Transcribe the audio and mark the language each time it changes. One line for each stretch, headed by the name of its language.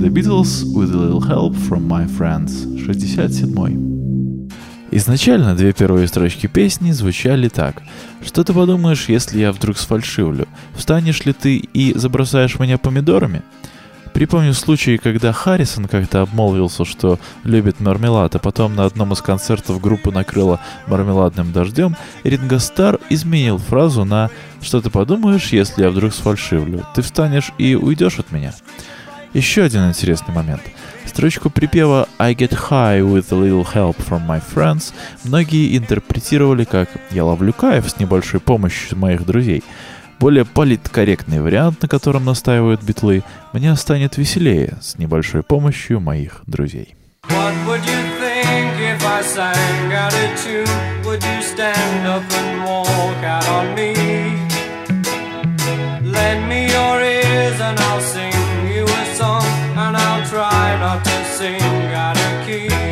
English: The Beatles with a little help from my friends.
Russian: 67-й. Изначально две первые строчки песни звучали так. «Что ты подумаешь, если я вдруг сфальшивлю? Встанешь ли ты и забросаешь меня помидорами?» Припомню случай, когда Харрисон как-то обмолвился, что любит мармелад, а потом на одном из концертов группу накрыло мармеладным дождем, Ринго Стар изменил фразу на «Что ты подумаешь, если я вдруг сфальшивлю? Ты встанешь и уйдешь от меня?» Еще один интересный момент. Строчку припева
English: «I get high with a little help from my friends»
Russian: многие интерпретировали как «Я ловлю кайф с небольшой помощью моих друзей». более политкорректный вариант, на котором настаивают битлы, мне станет веселее с небольшой помощью моих друзей.
English: What would you think if I sang out a tune? Would you stand up and walk out on me? Lend me your ears and I'll sing you a song. And I'll try not to sing out of key.